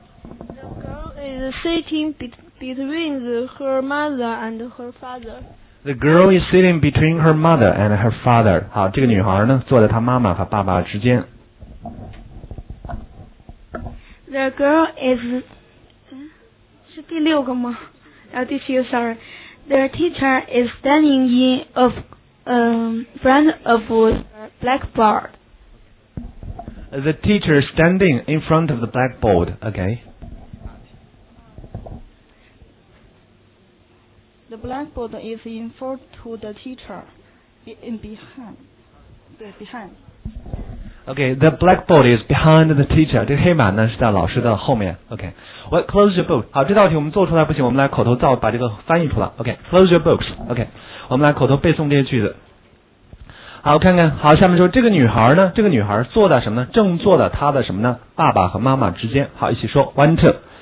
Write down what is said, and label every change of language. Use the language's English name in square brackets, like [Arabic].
[English] Is sitting between her mother and her father. The girl is sitting between her mother and her father. [Chinese] 好，这个女孩呢，坐在她妈妈和爸爸之间。 [English] The girl is [Chinese] 是第六个吗？啊，第七个 ， [English] sorry. The teacher is standing in of front of blackboard. The teacher is standing in front of the blackboard. Okay. The blackboard is in front to the teacher, in behind. Okay, the blackboard is behind the teacher. [Chinese] 这黑板呢是在老师的后面。 [English] Okay, well, close your book. [Chinese] 好，这道题我们做出来不行，我们来口头造，把这个翻译出来。 [English] Okay, close your books. Okay, [Chinese] 我们来口头背诵这些句子。好，看看，好，下面说这个女孩呢，这个女孩坐在什么呢？正坐在她的什么呢？爸爸和妈妈之间。好，一起说 ， [English] one, two.